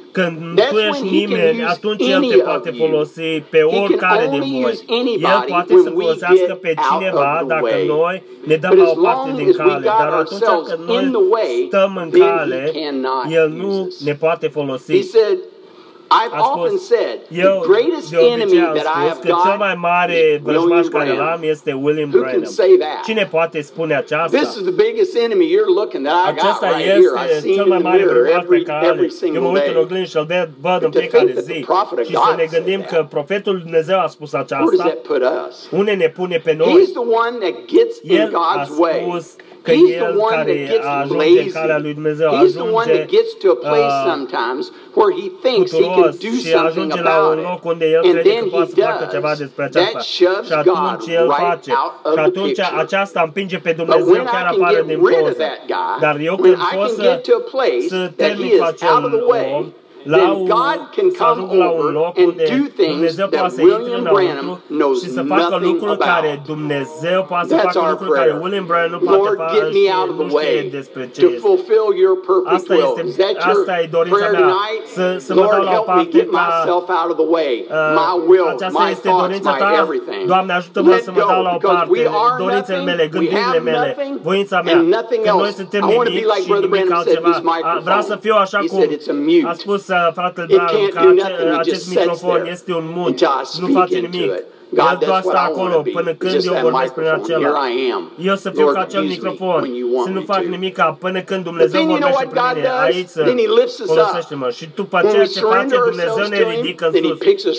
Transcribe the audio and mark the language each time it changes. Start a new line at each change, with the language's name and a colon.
Romanian: Când tu ești nimeni, atunci El te poate folosi pe oricare din voi. El poate să folosească pe cineva dacă noi ne dăm la o parte din cale. Dar atunci când noi stăm în cale, El nu ne poate folosi.
English: I've often said the greatest enemy that I have got.
Romanian: Cel mai mare vrăjmaș care l-am este William Branham.
English: Who can say that?
Romanian: Cine poate spune aceasta?
English: This is the biggest enemy you're looking that I got right here.
Romanian: Acesta este cel mai mare vrăjmaș pe care eu mă uit în oglindă și îl văd în fiecare zi. Și să ne gândim că profetul Dumnezeu a spus aceasta. Unde ne pune pe noi?
English: He's the one that gets in God's way.
Romanian: Că
English: he's the one that gets lazy. He's the one that gets to a place sometimes where he thinks he can do something about it. And then he does. That shoves God right out of the picture.
Romanian: Pe
English: but when I can get rid of that guy,
Romanian: dar eu
English: when I can get to a place that he is out of the way, then God can come over and do things that William Branham knows nothing about. That's our prayer. Lord, get me out of the way to fulfill your perfect will. Is that your prayer tonight? Lord, help me get myself out of the way. My will, my thoughts, my everything. Let go, because we are nothing, we have nothing, and nothing else. I want to be like Brother Branham said, this microphone. He said it's a mute.
Romanian: Fratele Branham, că acest microfon este un mut, nu face nimic. El doar stă acolo până când eu vorbesc prin acela. Eu să fiu ca acel microfon, să nu fac nimic până când Dumnezeu vorbește prin mine. Aici folosește-mă. Și după ce se face, Dumnezeu ne ridică în sus.